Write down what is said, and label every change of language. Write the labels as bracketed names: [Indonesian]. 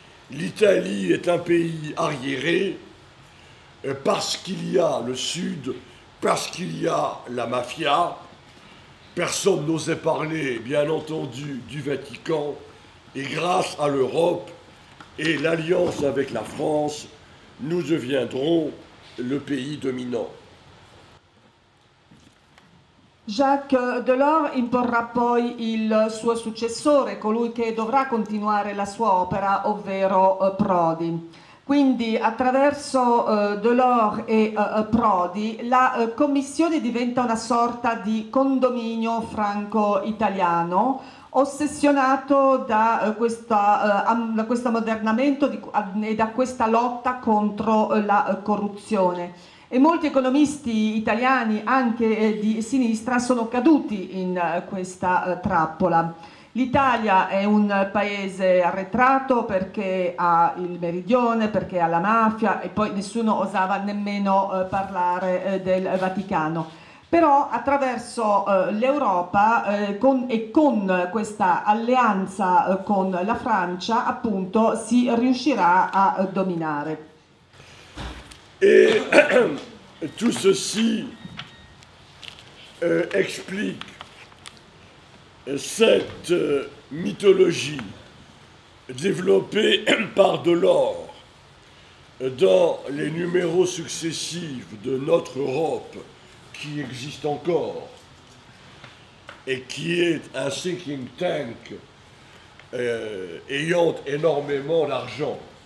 [French] L'Italie est un pays arriéré parce qu'il y a le Sud, parce qu'il y a la mafia. Personne n'osait parler, bien entendu, du Vatican, et grâce à l'Europe et l'alliance avec la France, nous deviendrons le pays dominant. [Italian] Jacques Delors imporrà poi il suo successore, colui che dovrà continuare la sua opera, ovvero Prodi. Quindi attraverso Delors e Prodi la Commissione diventa una sorta di condominio franco-italiano, ossessionato da questo ammodernamento e da questa lotta contro la corruzione. E molti economisti italiani, anche di sinistra, sono caduti in questa trappola. L'Italia è un paese arretrato perché ha il meridione, perché ha la mafia, e poi nessuno osava nemmeno parlare del Vaticano. Però attraverso l'Europa con questa alleanza con la Francia, appunto, si riuscirà a dominare. [French] E tout ceci explique cette mythologie développée par Delors dans les numéros successifs de Notre Europe, qui existe encore et qui est un sinking tank ayant énormément d'argent,